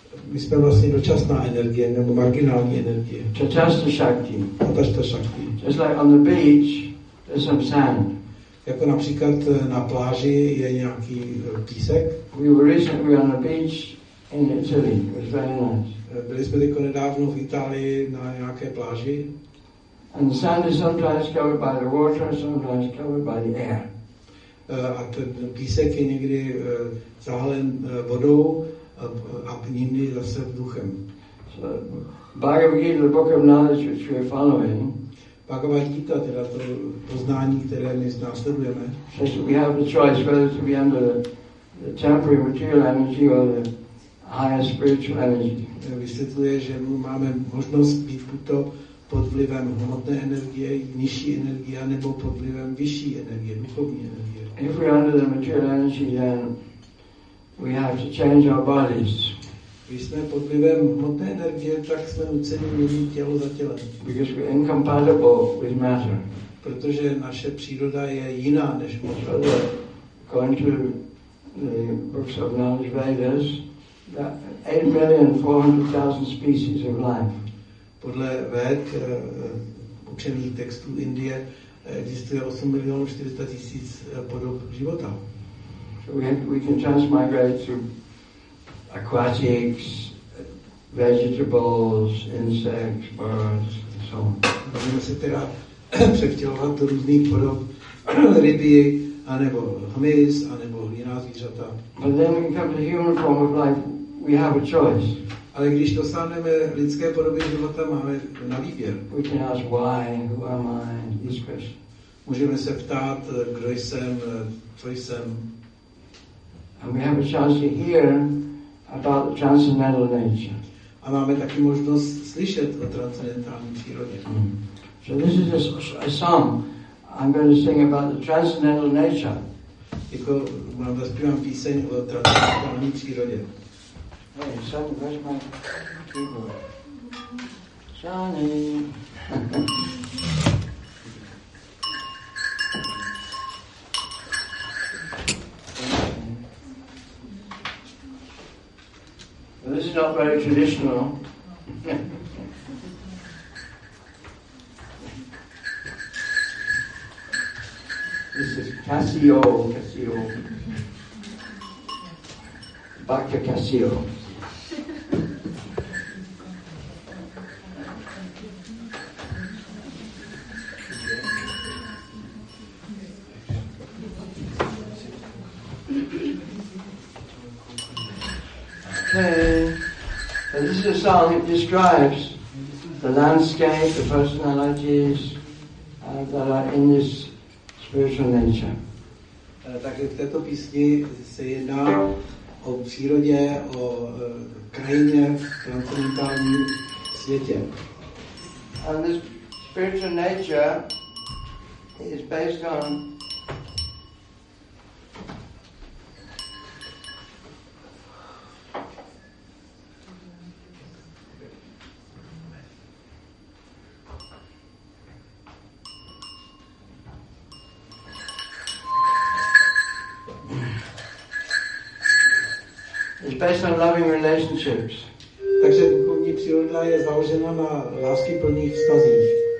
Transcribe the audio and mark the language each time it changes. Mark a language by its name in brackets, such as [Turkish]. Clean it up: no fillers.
[Czech] My jsme vlastně dočasná energie nebo marginální energie. [Sanskrit] Tatashta shakti. [English] Just like on the beach, there's some sand. [Czech] Jako například na pláži je nějaký písek. [English] We were recently on a beach in Italy. It was very nice. [Czech] Byli jsme teď nedávno v Itálii na nějaké pláži. [English] And the sand is sometimes covered by the water, sometimes covered by the air. [Czech] A ten písek je někdy zahalen vodou a jindy zase duchem. [English] So, Bhagavad Gita, the book of knowledge which we are following, [Czech] Bhagavad Gita, teda to poznání, které my následujeme. [English] We have the choice whether to be under the temporary material energy or the higher spiritual energy. [Czech] Vysvětluje, že my máme možnost být buďto pod vlivem hmotné energie, nižší energie, nebo pod vlivem vyšší energie, duchovní energie. [English] If we are under the material energy, then we have to change our bodies. [Czech] Když jsme pod vlivem hmotné energie, tak jsme nuceni měnit tělo za tělem. [English] Because we're incompatible with matter. [Czech] Protože naše příroda je jiná než hmota. [English] According to the books of knowledge Vedas, 8,400,000 species of life. [Czech] Podle Ved, učených textů Indie, existuje 8,400,000 podob života. [English] We can transmigrate to aquatics, vegetables, insects, birds, and so on. [Czech] Můžeme se teda převtělovat do různých podob ryby, anebo hmyz, anebo jiná zvířata. [English] But then we come to human form of life, we have a choice. [Czech] Ale když dosáhneme lidské podoby života, máme na výběr. [English] We can ask why, who am I, this question. [Czech] Můžeme se ptát, kdo jsem, co jsem. [English] And we have a chance to hear about the transcendental nature. [Czech] A máme taky možnost slyšet o transcendentální přírodě. [English] So this is a song I'm going to sing about the transcendental nature. [Czech] Jako mám zpívám píseň o transcendentální přírodě. [English] Hey, Sonny, where's my keyboard? Sonny. This is not very traditional. This is Casio. Back to Casio. And this is a song, it describes the landscape, the personalities that are in this spiritual nature. [Czech] Takže v této písni se jedná o přírodě, o krajině, v transcendentálním světě. [English] And this spiritual nature is based on loving relationships. [Czech] Takže duchovní příroda je založena na láskyplných vztazích.